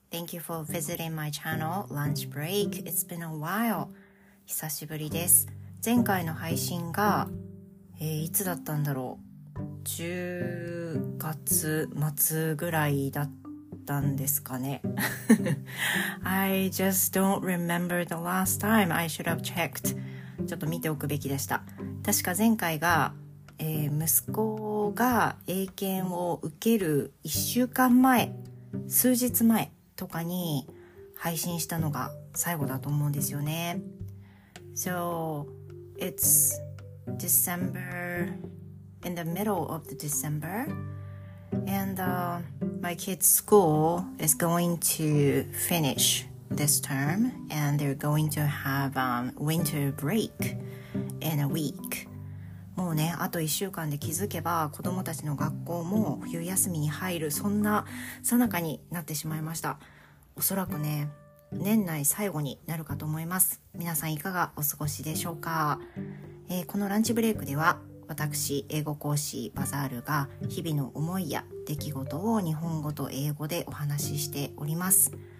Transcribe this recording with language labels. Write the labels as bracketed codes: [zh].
[en] Thank you for visiting my channel, Lunch Break. It's been a while. [ja] 久しぶりです。前回の配信が、いつだったんだろう。 10月末ぐらいだったんですかね。 [en] I just don't remember the last time I should have checked. [ja] ちょっと見ておくべきでした。確か前回が、息子が英検を受ける1週間前、数日前とかに配信したのが最後だと思うんですよね。 [en] So, it's December, in the middle of the December, and my kids' school is going to finish this term, and they're going to have winter break in a week. [ja] もうね、あと1週間で気づけば子供たちの学校も冬休みに入る、そんな最中になってしまいました。おそらくね、年内最後になるかと思います。皆さんいかがお過ごしでしょうか。このランチブレイクでは、私英語講師バザールが日々の思いや出来事を日本語と英語でお話ししております。